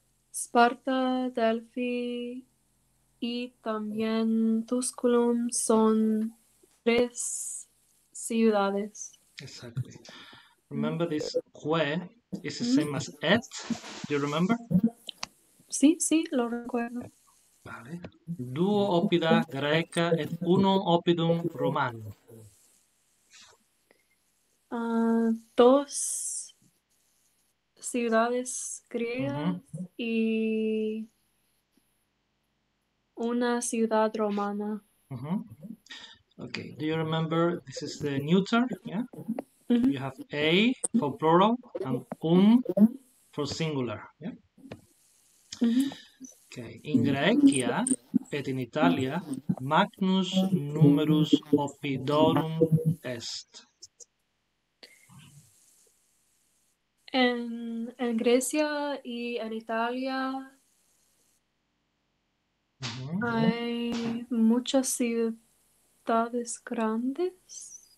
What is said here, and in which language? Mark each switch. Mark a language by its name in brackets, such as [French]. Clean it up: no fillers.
[Spanish] Sparta, Delphi, y también Tusculum son tres ciudades. [English] Exactly. Remember this que is the same as et. Do you remember? [Spanish] Sí, sí, lo recuerdo. Vale. [Latin] Duo opida greca et uno opidum romano. [Spanish] Dos ciudades griegas y una ciudad romana. [English] Okay, do you remember this is the neuter? Yeah. You have a for plural and un for singular. Yeah. [Latin] Okay, in Grecia et in Italia, magnus numerus oppidorum est. [Spanish] En Grecia y en Italia hay muchas ciudades grandes.